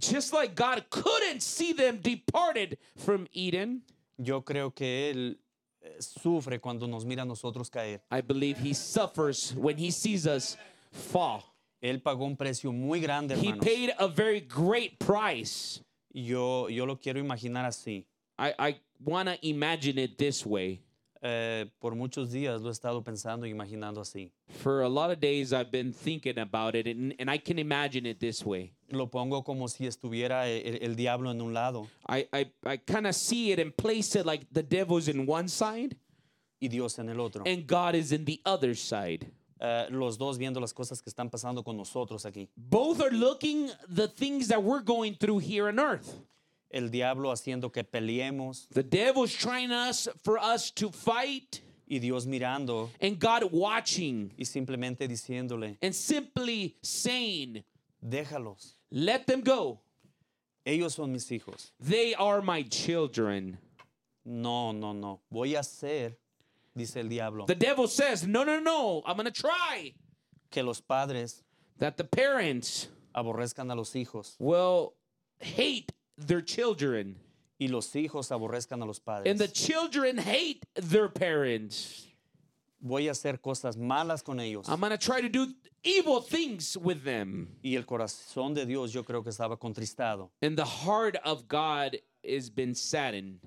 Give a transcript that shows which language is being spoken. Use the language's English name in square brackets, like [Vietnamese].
[English] Just like God couldn't see them departed from Eden. [Spanish] Yo creo que él sufre cuando nos mira a nosotros caer. [English] I believe he suffers when he sees us fall. [Spanish] Él pagó un precio muy grande, hermanos. [English] He paid a very great price. [Spanish] Yo lo quiero imaginar así. [English] I want to imagine it this way. [Spanish] Por muchos días lo he estado pensando y imaginando así. [English] For a lot of days I've been thinking about it and I can imagine it this way. [Spanish] Lo pongo como si estuviera el diablo en un lado. [English] I kind of see it and place it like the devil's in one side. [Spanish] Y Dios en el otro. [English] And God is in the other side. [Spanish] Los dos viendo las cosas que están pasando con nosotros aquí. [English] Both are looking the things that we're going through here on earth. [Spanish] El diablo haciendo que peleemos. [English] The devil's trying for us to fight. [Spanish] Y Dios mirando. [English] And God watching. [Spanish] Y simplemente diciéndole. [English] And simply saying. [Spanish] Déjalos. [English] Let them go. [Spanish] Ellos son mis hijos. [English] They are my children. [Spanish] No, no, no. Voy a hacer, dice el diablo. [English] The devil says, no, no, no. I'm going to try. [Spanish] Que los padres. [English] That the parents. [Spanish] Aborrezcan a los hijos. [English] Will hate their children. [Spanish] Y los hijos aborrezcan a los padres. [English] And the children hate their parents. [Spanish] Voy a hacer cosas malas con ellos. [English] I'm going to try to do evil things with them. [Spanish] Y el corazón de Dios, yo creo que estaba contristado. [English] And the heart of God has been saddened.